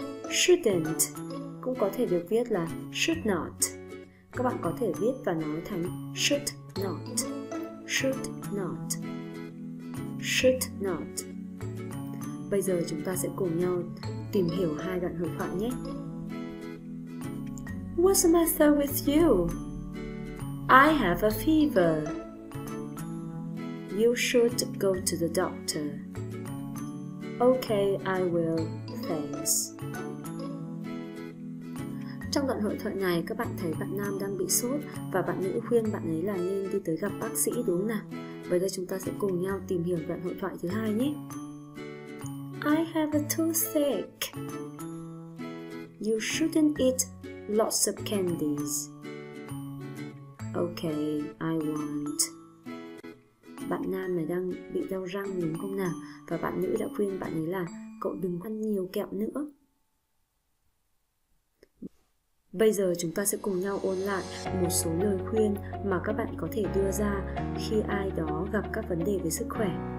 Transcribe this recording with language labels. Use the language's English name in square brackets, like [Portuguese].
[Vietnamese] Shouldn't cũng có thể được viết là should not. Các bạn có thể viết và nói thành [English] should not, should not, should not. [Vietnamese] Bây giờ chúng ta sẽ cùng nhau tìm hiểu hai đoạn hội thoại nhé. [English] What's the matter with you? I have a fever. You should go to the doctor. Okay, I will. Thanks. [Vietnamese] Trong đoạn hội thoại này, các bạn thấy bạn nam đang bị sốt và bạn nữ khuyên bạn ấy là nên đi tới gặp bác sĩ đúng không nào? Bây giờ chúng ta sẽ cùng nhau tìm hiểu đoạn hội thoại thứ hai nhé. [English] I have a toothache. You shouldn't eat lots of candies. Okay, I won't. [Vietnamese] Bạn nam này đang bị đau răng đúng không nào? Và bạn nữ đã khuyên bạn ấy là cậu đừng ăn nhiều kẹo nữa. Bây giờ chúng ta sẽ cùng nhau ôn lại một số lời khuyên mà các bạn có thể đưa ra khi ai đó gặp các vấn đề về sức khỏe.